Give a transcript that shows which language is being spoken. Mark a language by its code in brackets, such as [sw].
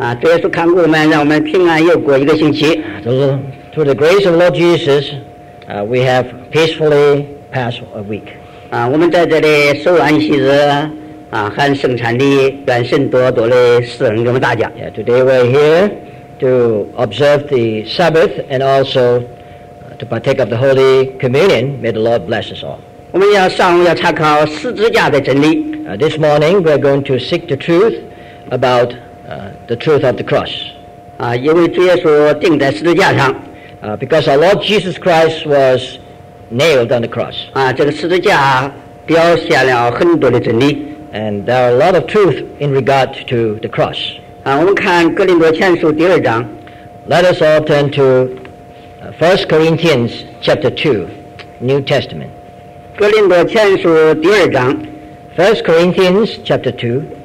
[zh] 主耶稣看顾我们，让我们平安又过一个星期。 [en] To the grace of the Lord Jesus, we have peacefully passed a week. [zh] 我们在这里受安息日。和圣产地, [en] yeah, today we are here to observe the Sabbath and also to partake of the Holy Communion. May the Lord bless us all. [zh] 我们要上午要查考十字架的真理。 [en] This morning we are going to seek the truth about the truth of the cross. [zh] 因为主耶稣钉在十字架上。 [en] Because our Lord Jesus Christ was nailed on the cross. [zh] 这个十字架表现了很多的真理。 [en] And there are a lot of truth in regard to the cross. [zh] 我们看哥林多前书第二章。 [en] Let us all turn to 1 Corinthians chapter 2, New Testament. [zh] 哥林多前书第二章。 [en] 1 Corinthians chapter 2.